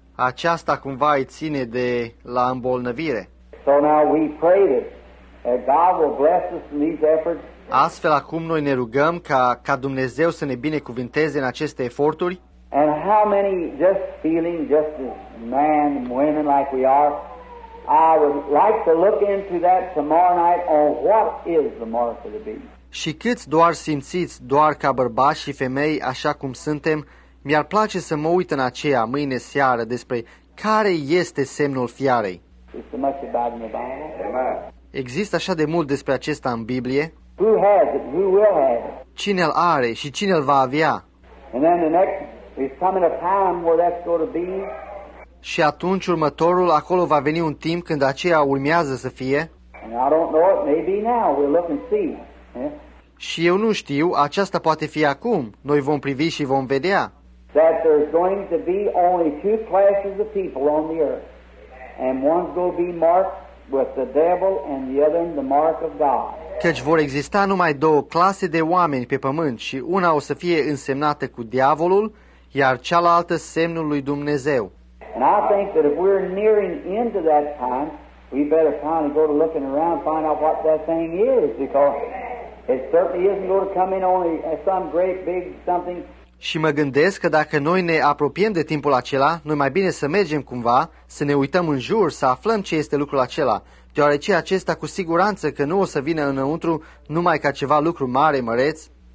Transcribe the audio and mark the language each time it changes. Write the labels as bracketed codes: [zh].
[ro] Aceasta cumva îi ține de la îmbolnăvire. [en] So now we pray that God will bless us in these efforts. [ro] Astfel acum noi ne rugăm ca Dumnezeu să ne binecuvinteze în aceste eforturi. [en] And how many just feeling just as men and women like we are, I would like to look into that tomorrow night on what is the mark of the beast. [ro] Și câți doar simțiți, doar ca bărbați și femei, așa cum suntem, mi-ar place să mă uit în aceea mâine seară despre care este semnul fiarei. [en] It's so much about in the Bible. Amen. [ro] Există așa de mult despre acesta în Biblie? [en] Who has it? Who will have it? [ro] Cine-l are și cine-l va avea? [en] And then the next is coming a time where that's going to be. [ro] Și atunci următorul, acolo va veni un timp când aceea urmează să fie. [en] And I don't know, it may be now. We'll look and see. Yeah? [ro] Și eu nu știu, aceasta poate fi acum. Noi vom privi și vom vedea. [en] That there's going to be only two classes of people on the earth. And one's going to be marked with the devil and the other the mark of God. [ro] Căci vor exista numai două clase de oameni pe pământ și una o să fie însemnată cu diavolul, iar cealaltă semnul lui Dumnezeu. [en] And I think that if we're nearing into that time, we better kind of go to looking around and find out what that thing is, because it certainly isn't going to come in only as some great big something. [ro] Și mă gândesc că dacă noi ne apropiem de timpul acela, noi mai bine să mergem cumva, să ne uităm în jur, să aflăm ce este lucrul acela, deoarece acesta cu siguranță că nu o să vină înăuntru numai ca ceva lucru mare, măreț.